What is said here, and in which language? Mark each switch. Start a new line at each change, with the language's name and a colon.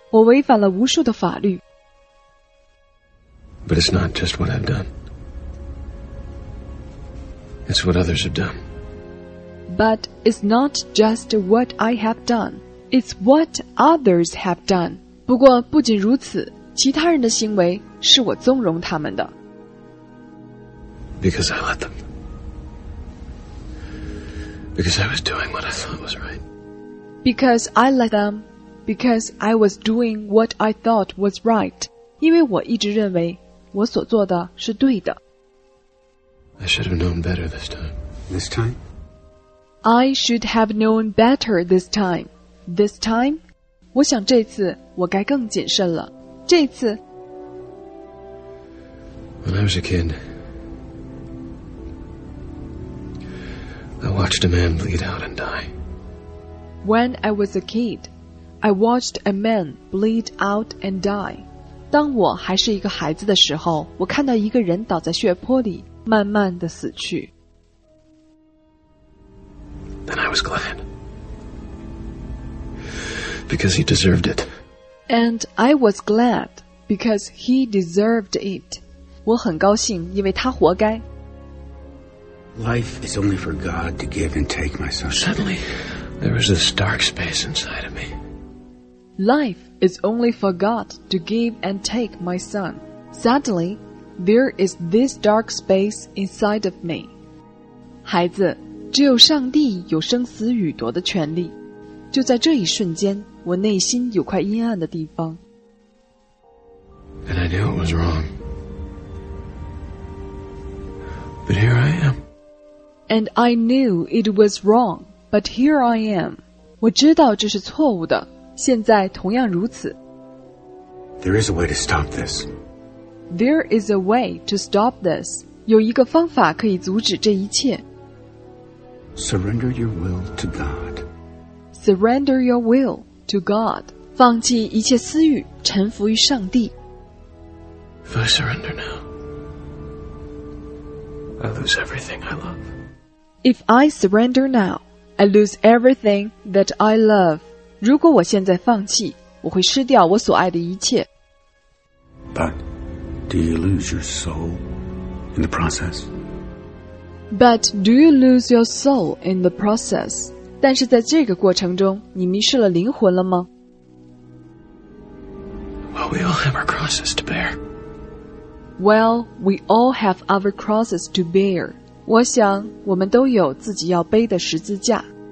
Chinese: 我违反了无数的法律。
English: But it's not just what I've done. It's what others have done. But it's not just what I have done. It's what others have done.
Chinese: 不过不仅如此，其他人的行为是我纵容他们的。
English: Because I let them. Because I was doing what I thought was right. Because I let them. Because I was doing what I thought was right.
Chinese: 因为我一直认为我所做的是对的。
English: I should have known better this time. This time? I should have known better this time. This time?
Chinese: 我想这次我该更谨慎了。这次。
English: When I was a kid, I watched a man bleed out and die. When I was a kid, I watched a man bleed out and die.
Chinese: 当我还是一个孩子的时候，我看到一个人倒在血泊里，慢慢地死去。
English: Then I was glad. Because he deserved it. And I was glad because he deserved it.
Chinese: 我很高兴，因为他活该。
English: Life is only for God to give and take, my son. Suddenly, there was this dark space inside of me. Life is only for God to give and take, my son. Suddenly, there is this dark space inside of me.
Chinese: 孩子，只有上帝有生死与夺的权利。就在这一瞬间，我内心有块阴暗的地方。
English: And I knew it was wrong. But here I am. And I knew it was wrong, but here I am.
Chinese: 我知道这是错误的，现在同样如此。
English: There is a way to stop this. There is a way to stop this.
Chinese: 有一个方法可以阻止这一切。
English: Surrender your will to God. Surrender your will to God.
Chinese: 放弃一切私欲，臣服于上帝。
English: If I surrender now, I lose everything I love. If I surrender now, I lose everything that I love.
Chinese: 如果我现在放弃，我会失掉我所爱的一切。
English: But do you lose your soul in the process? But do you lose your soul in the process?
Chinese: 但是在这个过程中，你迷失了灵魂了吗？
English: Well, we all have our crosses to bear. Well, we all have our crosses to bear.
Chinese: 我想我们都有自己要背的十字架。